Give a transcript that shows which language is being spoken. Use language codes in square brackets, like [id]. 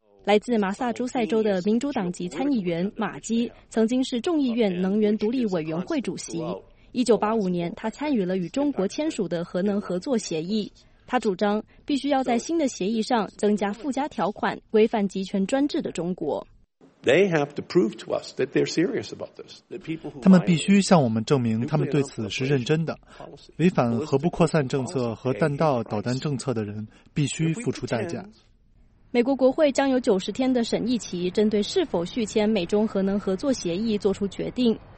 [zh] 来自马萨诸塞州的民主党籍参议员马基曾经是众议院能源独立委员会主席。 1985年，他参与了与中国签署的核能合作协议。他主张必须要在新的协议上增加附加条款，规范集权专制的中国。 [en] They have to prove to us that they're serious about this. [zh] 他们必须向我们证明他们对此是认真的。违反核不扩散政策和弹道导弹政策的人必须付出代价。美国国会将有90天的审议期，针对是否续签美中核能合作协议做出决定。